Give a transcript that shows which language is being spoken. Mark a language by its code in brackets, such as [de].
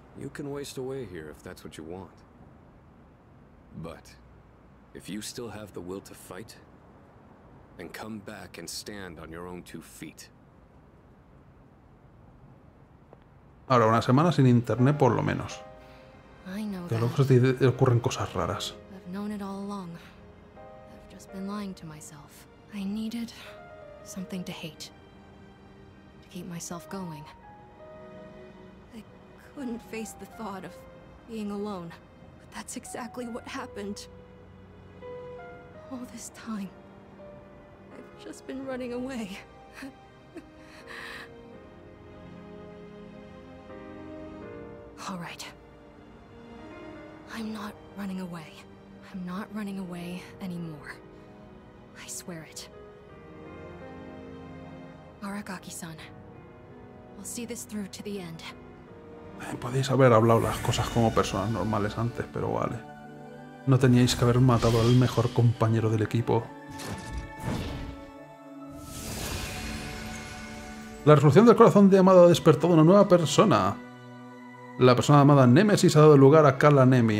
[en] You can waste away here if that's what you want. But if you still have the will to fight, then come back and stand on your own two feet. [es] Ahora, una semana sin internet, por lo menos. [en] I know that. [es] Pero luego se te ocurren cosas raras. [en] I've known it all along. I've just been lying to myself. I needed something to hate. To keep myself going. I couldn't face the thought of being alone. But that's exactly what happened. All this time, I've just been running away. All right. I'm not running away. I'm not running away anymore. I swear it. Arakaki-san, I'll see this through to the end. [es] Podéis haber hablado las cosas como personas normales antes, pero vale. No teníais que haber matado al mejor compañero del equipo. La resolución del corazón de Amado ha despertado una nueva persona. La persona llamada Némesis ha dado lugar a Kala Nemi.